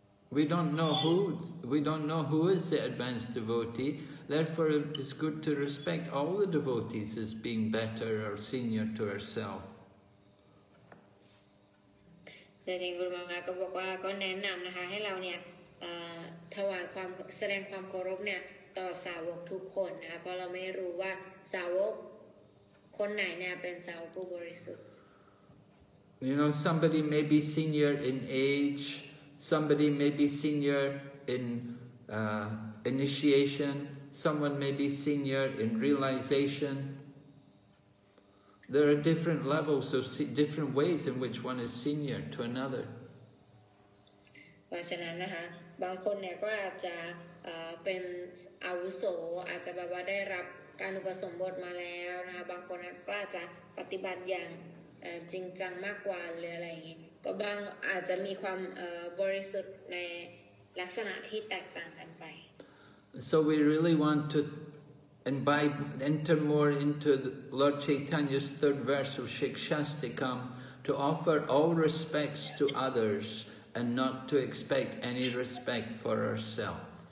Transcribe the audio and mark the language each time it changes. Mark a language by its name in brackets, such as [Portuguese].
[English] We don't know who is the advanced devotee. Therefore, it's good to respect all the devotees as being better or senior to herself. The Guru Maharaj said, "Ah, [Thai] ก็แนะนำนะคะให้เราเนี่ยถวายความแสดงความเคารพเนี่ยต่อสาวกทุกคนนะคะเพราะเราไม่รู้ว่าสาวกคนไหนเนี่ยเป็นสาวกผู้บริสุทธิ์ [English] You know, somebody may be senior in age, somebody may be senior in initiation, someone may be senior in realization. There are different levels of different ways in which one is senior to another. [Thai] เพราะฉะนั้นนะคะบางคนเนี่ยก็อาจจะเป็นอาวุโสอาจจะแบบว่าได้รับการอุปสมบทมาแล้วนะคะบางคนก็อาจจะปฏิบัติอย่างจริงจังมากกว่าหรืออะไรอย่างนี้ก็บางอาจจะมีความบริสุทธิ์ในลักษณะที่แตกต่างกันไป [English] So we really want to enter more into Lord Chaitanya's third verse of Shikshastikam to offer all respects to others and not to expect any respect for ourselves